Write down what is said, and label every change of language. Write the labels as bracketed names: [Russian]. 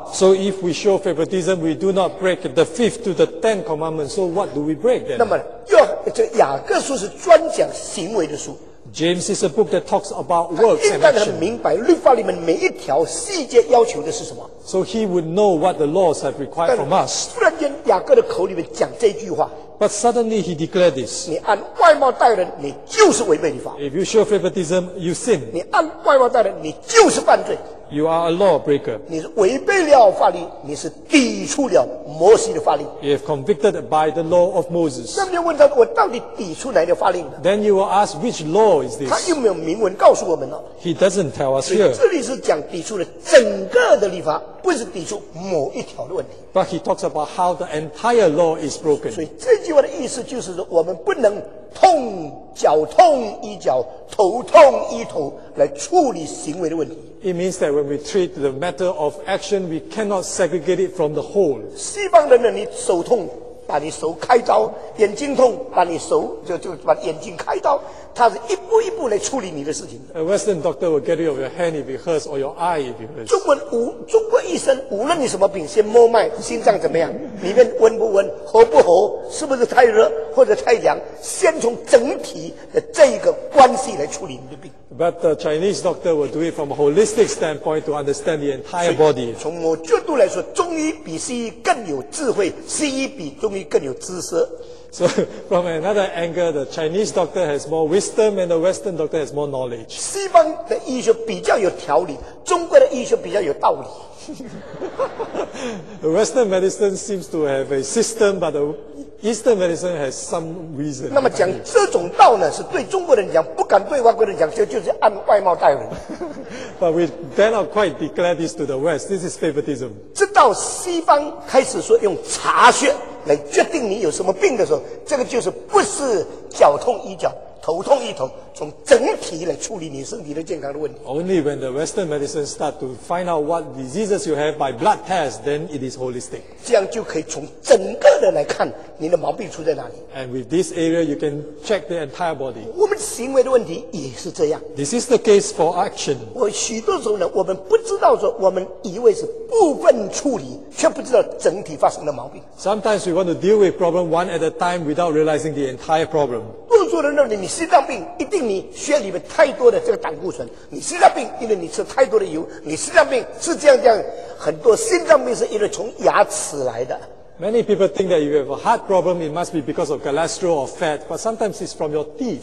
[English] So if we show favoritism, we do not break the fifth to the tenth commandment. So what do we break then? [Chinese] 那么，这雅各书是专讲行为的书。 [English] James is a book that talks about works and action. [Chinese] 他应该明白律法里面每一条细节要求的是什么。 [English] So he would know what the laws have required from us. [Chinese] 突然间，雅各的口里面讲这句话。 [English] But suddenly he declared this. [Chinese] 你按外貌待人，你就是违背律法。 [English] If you show favoritism, you sin. [Chinese] 你按外貌待人，你就是犯罪。 [English] You are a lawbreaker. [Chinese] 你是违背了法律，你是抵触了摩西的法律。 [English] If convicted by the law of Moses. [Chinese] 那么你要问他，我到底抵触哪条法律呢？ [English] Then you will ask which law is this? [Chinese] 他有没有明文告诉我们呢？ [English] He doesn't tell us here. [Chinese] 这里是讲抵触了整个的律法，不是抵触某一条的问题。 [English] But he talks about how the entire law is broken. [Chinese] 所以这句话的意思就是说，我们不能痛脚痛一脚，头痛一头来处理行为的问题。 [English] It means that when we treat the matter of action, we cannot segregate it from the whole. [Chinese] 西方人呢，你手痛，把你手开刀；眼睛痛，把你手就把眼睛开刀。他是一步一步来处理你的事情的。 [English] A Western doctor will get rid of your hand if it hurts, or your eye if it hurts. [Chinese] 中国医生无论你什么病，先摸脉，心脏怎么样，里面温不温，合不合，是不是太热或者太凉，先从整体的这一个关系来处理你的病。 [English] But the Chinese doctor will do it from a holistic standpoint to understand the entire body. [Chinese] 从某角度来说，中医比西医更有智慧，西医比中医更有知识。 [English] So from another angle, the Chinese doctor has more wisdom and the Western doctor has more knowledge. [Chinese] 西方的医学比较有条理，中国的医学比较有道理。 [English] The Western medicine seems to have a system, but the Eastern medicine has some reason. [Chinese] 那么讲这种道呢，是对中国人讲，不敢对外国人讲，就是按外貌待人。 [English] But we dare not quite declare this to the West. This is favoritism. [Chinese] 直到西方开始说用查血来决定你有什么病的时候，这个就是不是脚痛医脚。头痛一头，从整体来处理你身体的健康的问题。 [English] Only when the Western medicine start to find out what diseases you have by blood test, then it is holistic. [Chinese] 这样就可以从整个的来看你的毛病出在哪里。 [English] And with this area, you can check the entire body. [Chinese] 我们行为的问题也是这样。 [English] This is the case for action. [Chinese] 我许多时候呢，我们不知道说我们以为是部分处理，却不知道整体发生的毛病。 [English] Sometimes we want to deal with problem one at a time without realizing the entire problem. [Chinese] 多数人认为你心脏病一定你血里面太多的这个胆固醇，你心脏病因为你吃太多的油，你心脏病是这样，很多心脏病是因为从牙齿来的。 [English] Many people think that if you have a heart problem, it must be because of cholesterol or fat, but sometimes it's from your teeth.